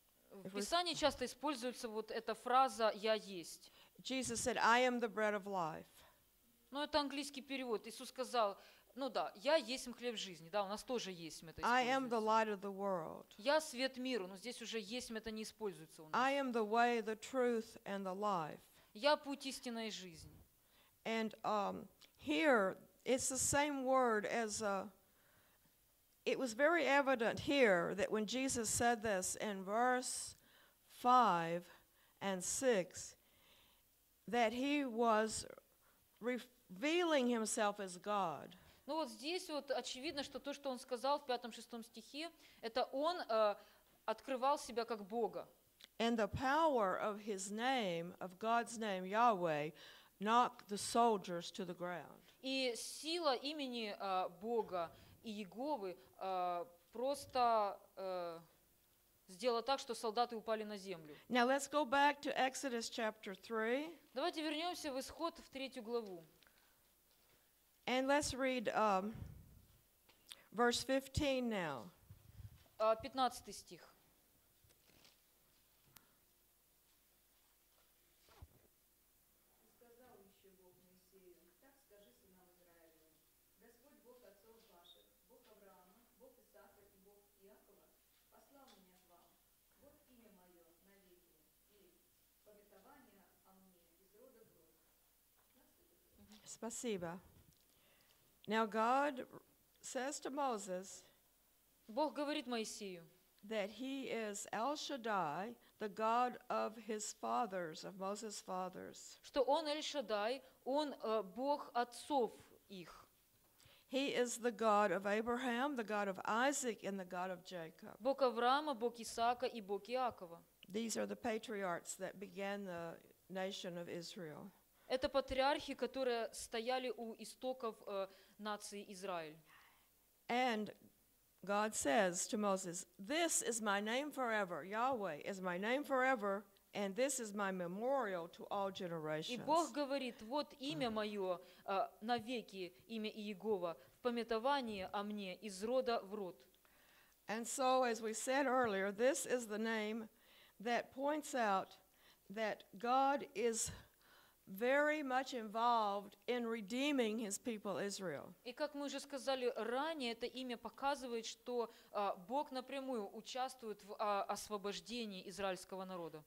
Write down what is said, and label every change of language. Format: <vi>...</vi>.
<ru>В Писании часто используется вот эта фраза «я есть».</ru> <en>Jesus said, I am the bread of life.</en> <ru>Ну, это английский перевод. Иисус сказал, ну да, я есть хлеб жизни. Да, у нас тоже есть это.</ru> <en>I am the light of the world.</en> <ru>Я свет миру, но здесь уже есть это не используется у нас.</ru> <en>I am the way, the truth, and the life.</en> <ru>Я путь истинной жизни.</ru> <en>And here, it's the same word as, it was very evident here that when Jesus said this in verse 5 and 6, that he was revealing himself as God.</en> <ru>Ну вот здесь вот очевидно, что то, что он сказал в 5-6 стихе, это он открывал себя как Бога.</ru> <en>And the power of his name, of God's name, Yahweh, knocked the soldiers to the ground.</en> <ru>И сила имени Бога и Иеговы просто сделала так, что солдаты упали на землю.</ru> <en>Now let's go back to Exodus chapter 3.</en> <ru>Давайте вернемся в Исход, в третью главу.</ru> <en>And let's read verse 15 now.</en> <ru>15 стих. Спасибо.</ru> <en>Now God says to Moses,</en> <ru>Бог говорит Моисею,</ru> <en>that he is El Shaddai, the God of his fathers, of Moses' fathers.</en> <ru>Что он Эль Шадай, он Бог отцов их.</ru> <en>He is the God of Abraham, the God of Isaac, and the God of Jacob.</en> <ru>Бог Авраама, Бог Исаака и Бог Иакова.</ru> <en>These are the patriarchs that began the nation of Israel.</en> <ru>Это патриархи, которые стояли у истоков нации Израиль.</ru> <en>And God says to Moses, "This is my name forever. Yahweh is my name forever, and this is my memorial to all generations."</en> <ru>И Бог говорит: "Вот имя мое навеки, имя Иегова, в памятование о мне из рода в род."</ru> <en>And so, as we said earlier, this is the name that points out that God is very much involved in redeeming his people Israel.</en> <ru>И как мы уже сказали ранее, это имя показывает, что Бог напрямую участвует в освобождении израильского народа.</ru>